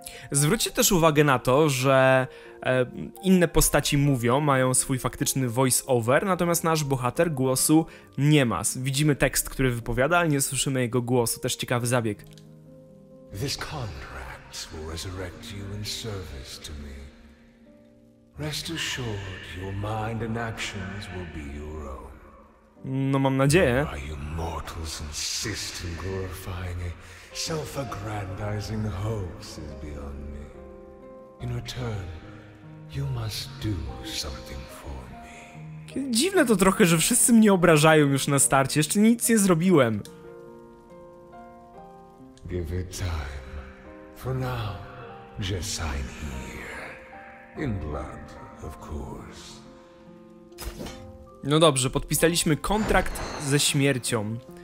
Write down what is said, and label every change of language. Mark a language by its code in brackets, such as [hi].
[pl] Zwróćcie też uwagę na to, że inne postaci mówią, mają swój faktyczny voice over, natomiast nasz bohater głosu nie ma. Widzimy tekst, który wypowiada, ale nie słyszymy jego głosu. Też ciekawy zabieg. [en] This contract will resurrect you in service to me. Rest assured, your mind and actions will be your own. [pl] No mam nadzieję. [en] Why you mortals insist in glorifying a self-aggrandizing hoax is beyond me. In return, you must do something for me. [pl] Dziwne to trochę, że wszyscy mnie obrażają już na starcie. Jeszcze nic nie zrobiłem. [en] Give it time. For now, just sign here. In blood, of course. [pl] No dobrze, podpisaliśmy kontrakt ze śmiercią.